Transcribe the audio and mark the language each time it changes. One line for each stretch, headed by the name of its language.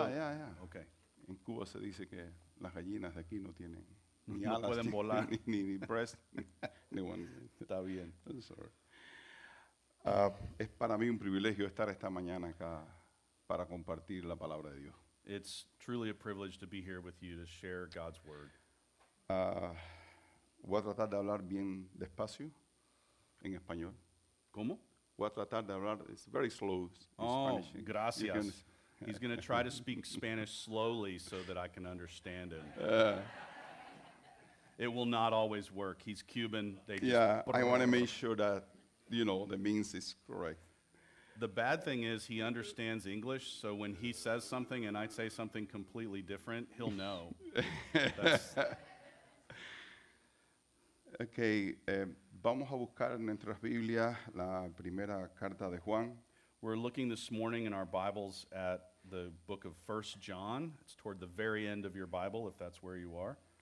English: Yeah. Okay.
Spanish: En Cuba se dice que las gallinas de aquí no tienen ni alas. No pueden volar.
English: Ni breast. Ni one.
Spanish: Está bien.
English: I'm sorry.
Spanish: Es para mí un privilegio estar esta mañana acá para compartir la palabra de Dios.
English: It's truly a privilege to be here with you to share God's word.
Spanish: Voy a tratar de hablar bien despacio. En español. ¿Cómo? voy a tratar de hablar.
English: It's very slow.
Spanish: Oh, gracias.
English: Can, he's going to try to speak Spanish slowly so that I can understand him. It will not always work. He's Cuban. They just I want to make sure that, you know, the means is correct. The bad thing is he understands English, so when he says something and I say something completely different, he'll know.
Spanish: Okay, vamos a buscar en nuestras Biblias la primera carta de Juan.
English: We're looking this morning in our Bibles at the book of 1 John. It's toward the very end of your Bible, if that's where you are.